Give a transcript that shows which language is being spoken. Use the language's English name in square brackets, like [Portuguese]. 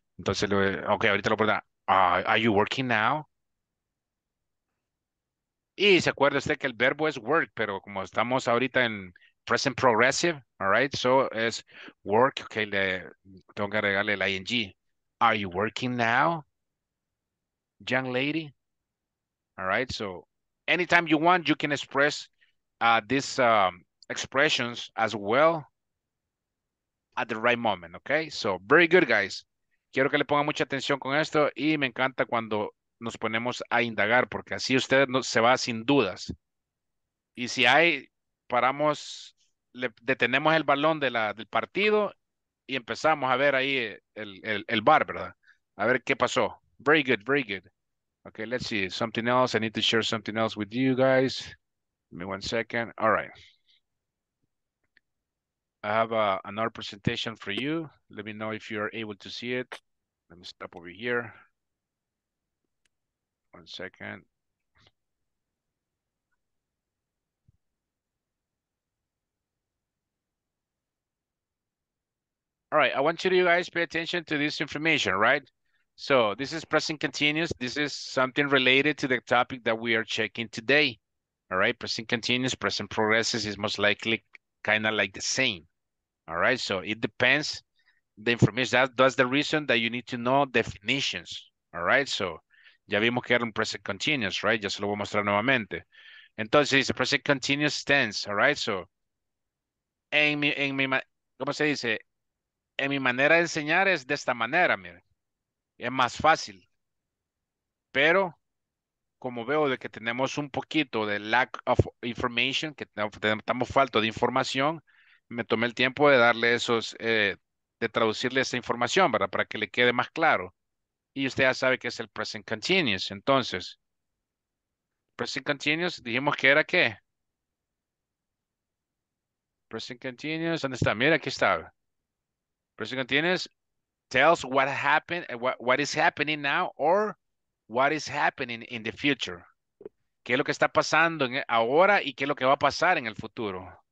[Spanish] Entonces, ok, ahorita lo pregunta, [English] are you working now? [Spanish] Y se acuerda usted que el verbo es work, pero como estamos ahorita en present progressive, [English] all right, so [Spanish] es work, ok, tengo que agregarle el ing. [English] Are you working now, young lady? All right, so anytime you want, you can express these expressions as well at the right moment, okay? So very good, guys. [Spanish] Quiero que le pongan mucha atención con esto y me encanta cuando nos ponemos a indagar, porque así usted no, se va sin dudas. Y si hay, paramos, le detenemos el balón de del partido y empezamos a ver ahí el bar, ¿verdad? A ver qué pasó. [English] Very good, very good. Okay, let's see. Something else. I need to share something else with you guys. Give me 1 second. All right. I have another presentation for you. Let me know if you are able to see it. Let me stop over here. 1 second. All right, I want you guys pay attention to this information, right? So this is present continuous. This is something related to the topic that we are checking today. All right, present continuous, present progressive is most likely kind of like the same. All right, so it depends the information. That's the reason that you need to know definitions. All right, so [Spanish] ya vimos que era un present continuous, [English] right? [Spanish] Ya se lo voy a mostrar nuevamente. [English] Entonces, it's a present continuous tense, all right? [Spanish] So, ¿cómo se dice? En mi manera de enseñar es de esta manera, mire. Es más fácil. Pero, como veo de que tenemos un poquito de [English] lack of information, [Spanish] que estamos falto de información, me tomé el tiempo de darle esos, de traducirle esa información, ¿verdad? Para que le quede más claro. Y usted ya sabe que es el present continuous. Entonces, present continuous, dijimos que era qué. Present continuous, ¿dónde está? Mira, aquí está. [English] Present continuous tells what happened, what is happening now or what is happening in the future. [Spanish] ¿Qué es lo que está pasando ahora y qué es lo que va a pasar en el futuro?